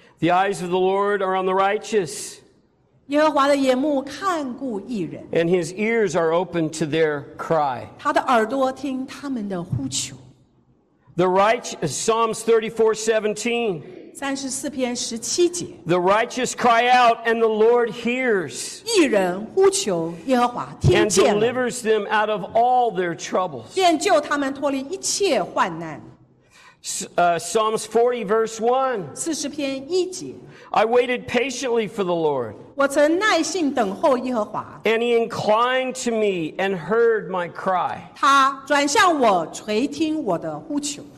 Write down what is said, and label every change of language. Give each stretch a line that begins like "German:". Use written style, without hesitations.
English: The eyes of the Lord are on the righteous.
Chinese: 耶和华的眼目看顾义人。
English: And his ears are open to their cry.
Chinese: 他的耳朵听他们的呼求。
English: The righteous, Psalms 34:17. The righteous cry out, and the Lord hears.
Chinese: 义人呼求耶和华听见了。
English: And delivers them out of all their troubles.
Chinese: 便救他们脱离一切患难。
English: Psalms 40:1.
Chinese: 40篇1节。
English: I waited patiently for the Lord.
Chinese: 我曾耐心等候耶和华。
English: And he inclined to me and heard my cry.
Chinese: 他转向我，垂听我的呼求。